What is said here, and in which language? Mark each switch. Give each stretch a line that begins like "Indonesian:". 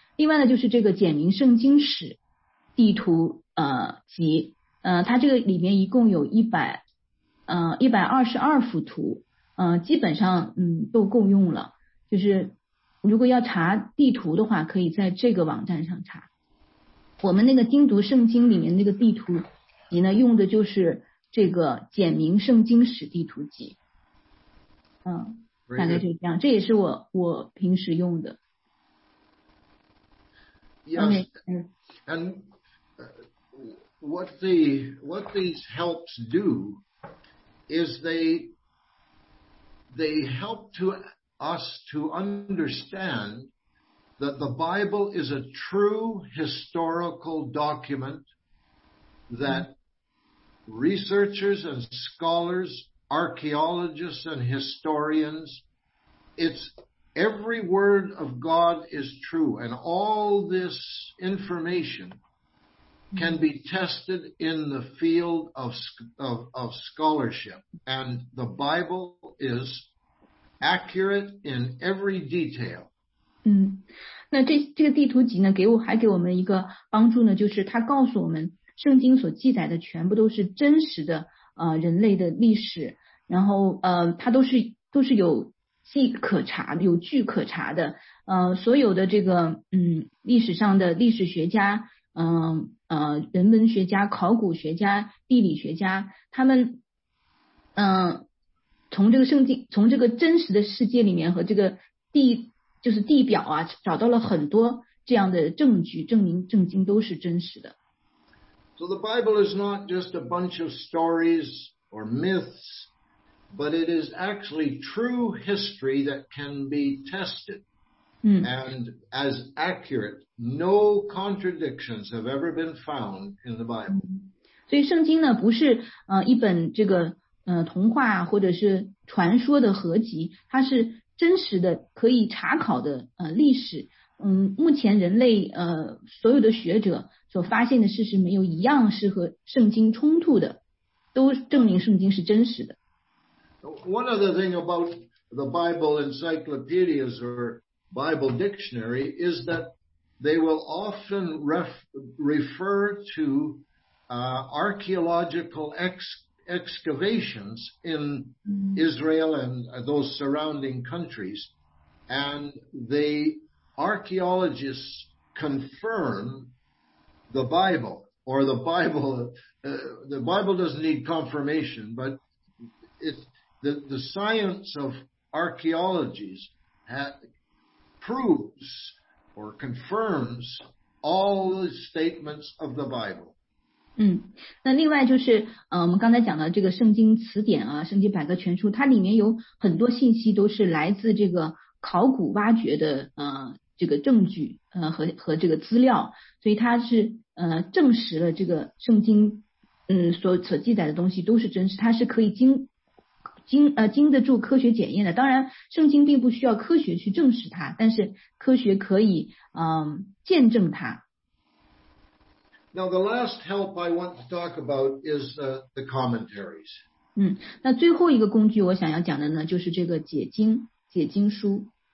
Chinese: 另外呢就是这个简明圣经史地图集，它这个里面一共有122幅图，基本上都够用了，就是如果要查地图的话可以在这个网站上查。我们那个精读圣经里面那个地图集呢用的就是这个简明圣经史地图集。大概就这样，这也是我平时用的。
English: Yes, and what these helps do is they help to us to understand that the Bible is a true historical document that researchers and scholars, archaeologists and historians, it's every word of God is true, and all this information can be tested in the field of scholarship. And the Bible is accurate in every detail.
Chinese: 嗯，那这个地图集呢，还给我们一个帮助呢，就是它告诉我们，圣经所记载的全部都是真实的，人类的历史，然后它都是有迹可查，有据可查的，所有的这个历史上的历史学家，人文学家、考古学家、地理学家，他们从这个圣经，从这个真实的世界里面和这个地表啊，找到了很多这样的证据，证明圣经都是真实的。
English: So the Bible is not just a bunch of stories or myths. But it is actually true history that can be tested, and as accurate, no contradictions have ever been found in the Bible.
Chinese: 所以圣经呢不是一本这个童话或者是传说的合集，它是真实的可以查考的历史。目前人类所有的学者所发现的事实没有一样是和圣经冲突的，都证明圣经是真实的。
English: One other thing about the Bible encyclopedias or Bible dictionary is that they will often refer to archaeological excavations in Israel and those surrounding countries. And the archaeologists confirm the Bible, or the Bible, the Bible doesn't need confirmation, but the science of archaeology proves or confirms all the statements of the Bible.
Chinese: 那另外就是我们刚才讲的这个圣经词典啊，圣经百科全书，它里面有很多信息都是来自这个考古挖掘的这个证据和这个资料，所以它是证实了这个圣经所记载的东西都是真实，它是可以经得住科学检验的。当然圣经并不需要科学去证实它，但是科学可以见证它。
English: Now the last help I want to talk about is the commentaries.
Chinese: 那最后一个工具我想要讲的呢就是这个解经书。